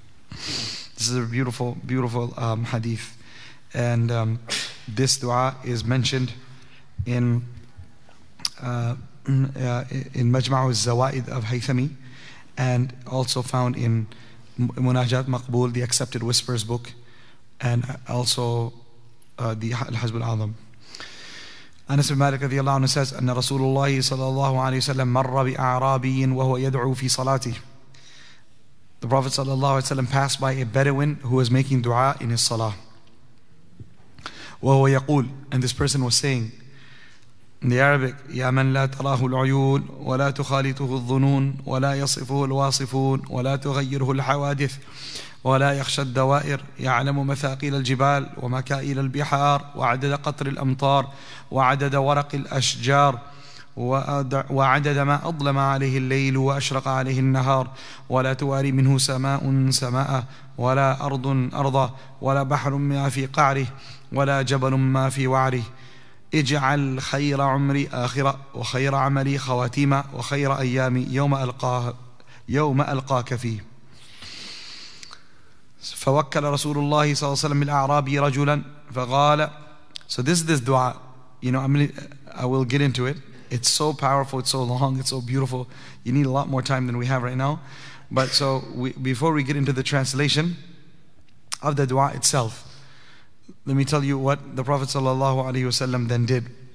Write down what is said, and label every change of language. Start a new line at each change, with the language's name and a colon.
English: This is a beautiful, beautiful hadith, and this dua is mentioned in Majma'u al-Zawaid of Haythami, and also found in Munajat Maqbool, the Accepted Whispers book, and also the Al-Hazb al-Azam. Anas bin Malik radiyallahu anhu says,
Arabic: أن رسول الله صلى الله عليه وسلم مر بأعرابي وهو يدعو في صلاته.
English: The Prophet
Arabic: صلى الله عليه وسلم
English: passed by a Bedouin who was making dua in his salah.
Arabic: وهو يقول,
English: and this person was saying, in the Arabic,
Arabic: يا من لا تراه العيون ولا تخالطه الظنون ولا يصفه الواصفون ولا تغيره الحوادث ولا يخشى الدوائر يعلم مثاقيل الجبال ومكائل البحار وعدد قطر الأمطار وعدد ورق الأشجار وعدد ما أظلم عليه الليل وأشرق عليه النهار ولا تواري منه سماء سماء ولا أرض أرضا ولا بحر ما في قعره ولا جبل ما في وعره اجعل خير عمري آخرة وخير عملي خواتيمة وخير أيامي يوم ألقاك فيه. فوكل رسول الله صلى الله عليه وسلم الأعرابي رجلا فقال.
English: So this dua, you know, I will get into it. It's so powerful, it's so long, it's so beautiful. You need a lot more time than we have right now. But so before we get into the translation of the dua itself, let me tell you what the Prophet sallallahu alaihi wasallam then did.